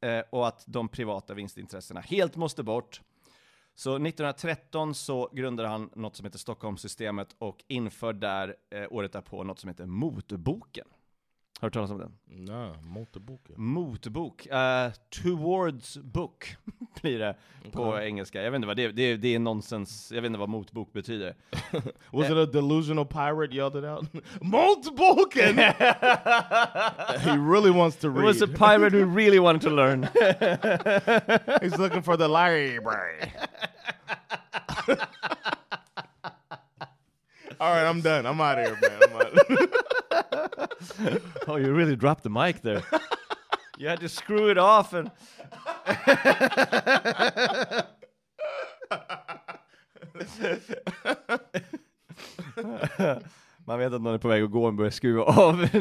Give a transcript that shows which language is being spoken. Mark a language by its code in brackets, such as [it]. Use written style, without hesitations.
[sv] Och att de privata vinstintressena helt måste bort. Så 1913 så grundade han något som heter Stockholmssystemet och inför där året därpå något som heter motboken. Har du talat om den? Nej, motboken. Motbok. [en] Towards book [sv] blir det på engelska. Jag vet inte vad det är nonsens. Jag vet inte vad motbok betyder. [en] Was it a delusional pirate yelled it out? Motboken! He really wants to read. It was a pirate who really wanted to learn. He's looking for the library. All right, I'm done. I'm out of here, man. I'm out. Oh, you really dropped the mic there. You had to screw it off and [sv] man vet att någon är på väg att gå och börjar skruva av.